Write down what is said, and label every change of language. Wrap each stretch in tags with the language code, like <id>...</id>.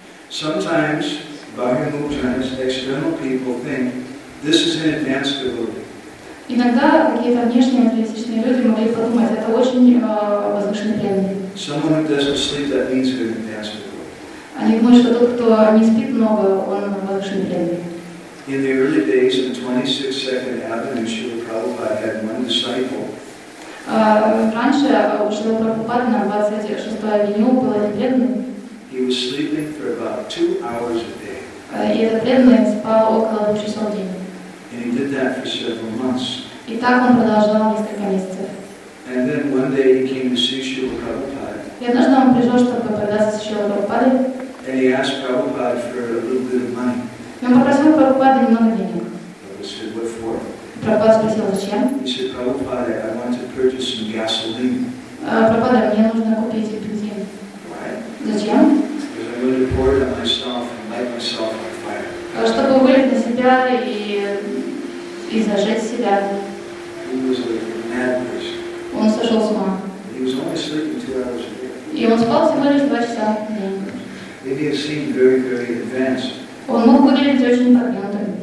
<en>Sometimes bahirmukhas, external people think this is an advanced devotee.</en> <ru>Иногда какие-то внешние атеистичные люди могли подумать, это очень возвышенный преданный.</ru> <en>Someone who doesn't sleep, that means an advanced.</en> <ru>Они думают, что тот, кто не спит много, он возвышенный преданный.</ru> <en>In the early days of 26 Second Avenue, Srila Prabhupada had one disciple.</en> <ru>Раньше у Шрила Прабхупады на 26-й авеню был один преданный.</ru> <en>He was sleeping for about 2 hours a day.</en> <ru>И этот преданный спал около 2 часов в день.</ru> <en>And he did that for several months.</en> <ru>И так он продолжал несколько месяцев.</ru> <en>And then one day he came to see Srila Prabhupada.</en> <ru>И однажды он пришел, чтобы продаться с Шрилой Прабхупадой.</ru> <en>And he asked Prabhupada for a little bit of money.</en> <ru>И он попросил Прабхупады немного денег.</ru> <en>Prabhupada said, what for?</en> <ru>Прабхупада спросил, зачем?</ru> <en>He said, Prabhupada, I want to purchase some gasoline.</en> <ru>Прабхупада, мне нужно купить бензин.</ru> <en>Why?</en> <ru>Зачем?</ru> <en>Because I'm going to pour it on myself and light myself on fire.</en> <ru>Чтобы вылить на себя и зажечь себя.</ru> <en>He was like a mad person.</en> <ru>Он сошел с ума.</ru> <en>He was only sleeping 2 hours a day.</en> <ru>И он спал всего лишь 2 часа в день. Он мог выглядеть очень продвинутым.</ru>